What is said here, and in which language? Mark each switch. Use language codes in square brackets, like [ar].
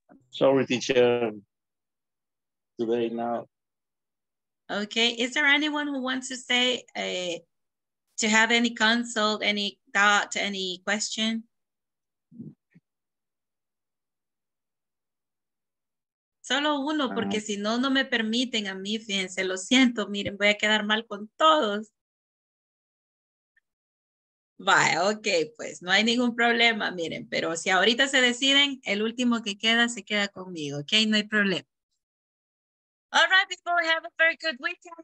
[en] Sorry, teacher, today now. Okay, is there anyone who wants to stay, to have any consult, any thought, any question? [es] Solo uno, porque si no, no me permiten a mí, fíjense, lo siento, miren, voy a quedar mal con todos. Vaya, ok, pues no hay ningún problema, miren, pero si ahorita se deciden, el último que queda se queda conmigo, ok, no hay problema. [en] All right, people, have a very good weekend.